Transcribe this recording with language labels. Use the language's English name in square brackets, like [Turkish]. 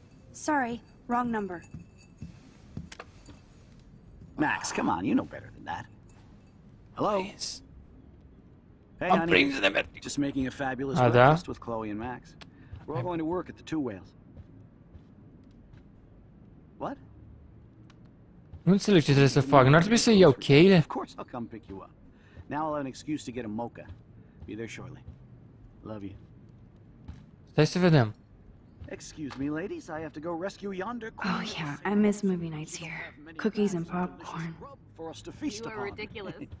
[English] Sorry, wrong number. Max, come on, you know better than that. Hello? Please. Hey, honey. Just making a fabulous breakfast with Chloe and Max. We're all going to work at the Two Whales. What? [Romanian] Nu înțeleg ce trebuie să fac, n-ar trebui să iau cheile? [English] Of course I'll come pick you up. Now I'll have an excuse to get a mocha. Be there shortly. Love you. [Romanian] Stai să vedem. [English] Excuse me, ladies, I have to go rescue yonder. Oh yeah, I miss movie nights here. Cookies and popcorn. For us to feast upon. You are ridiculous.